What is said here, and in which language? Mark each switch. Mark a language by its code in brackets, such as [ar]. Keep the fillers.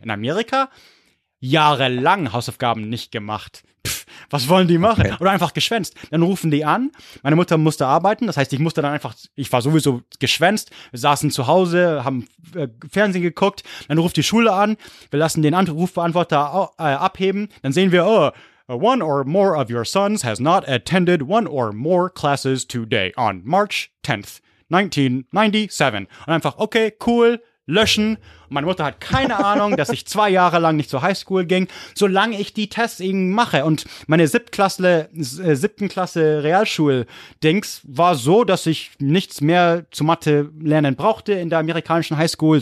[de] In Amerika jahrelang Hausaufgaben nicht gemacht. Pff, was wollen die machen? Oder einfach geschwänzt. Dann rufen die an. Meine Mutter musste arbeiten. Das heißt, ich musste dann einfach, ich war sowieso geschwänzt. Wir saßen zu Hause, haben äh, Fernsehen geguckt. Dann ruft die Schule an. Wir lassen den Anrufbeantworter au- äh, abheben. Dann sehen wir, oh, [en] one or more of your sons has not attended one or more classes today on March 10th. 1997. [de] Und einfach, okay, cool, löschen. Und meine Mutter hat keine Ahnung, dass ich zwei Jahre lang nicht zur Highschool ging, solange ich die Tests eben mache. Und meine Siebtklasse, äh, siebten Klasse Realschul-Dings war so, dass ich nichts mehr zu Mathe lernen brauchte in der amerikanischen Highschool.